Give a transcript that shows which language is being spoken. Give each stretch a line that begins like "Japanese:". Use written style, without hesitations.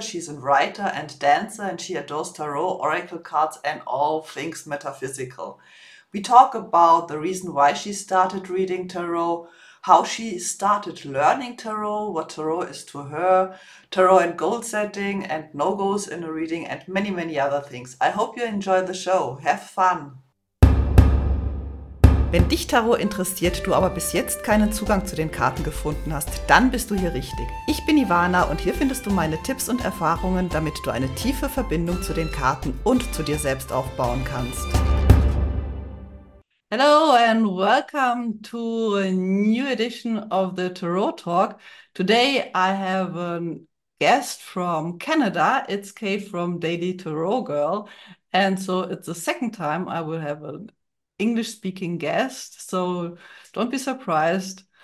English: She's a writer and dancer and she adores tarot, oracle cards and all things metaphysical. We talk about the reason why she started reading tarot, how she started learning tarot, what tarot is to her, tarot and goal setting and no goals in a reading and many, many other things. I hope you enjoy the show. Have fun!
German: Wenn dich Tarot interessiert, du aber bis jetzt keinen Zugang zu den Karten gefunden hast, dann bist du hier richtig. Ich bin Ivana und hier findest du meine Tipps und Erfahrungen, damit du eine tiefe Verbindung zu den Karten und zu dir selbst aufbauen kannst.
English: Hello and welcome to a new edition of the Tarot Talk. Today I have a guest from Canada. It's Kate from Daily Tarot Girl. And so it's the second time I will have a English-speaking guest, so don't be surprised.